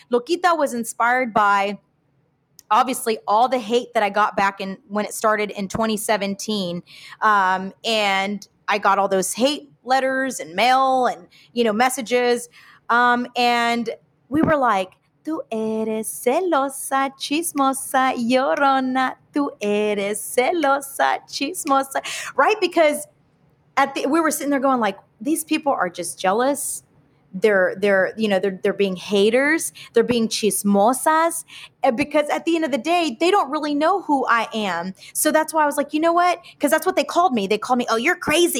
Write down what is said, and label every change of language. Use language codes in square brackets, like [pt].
[en] Loquita was inspired by, obviously, all the hate that I got back in when it started in 2017. And I got all those hate letters and mail and, you know, messages. And we were like, [es] tú eres celosa, chismosa, llorona. Tú eres celosa, chismosa. [en] Right? Because we were sitting there going, like, these people are just jealous. They're being haters. They're being chismosas. Because at the end of the day, they don't really know who I am. So that's why I was like, you know what? Because that's what they called me. They called me, oh, you're crazy.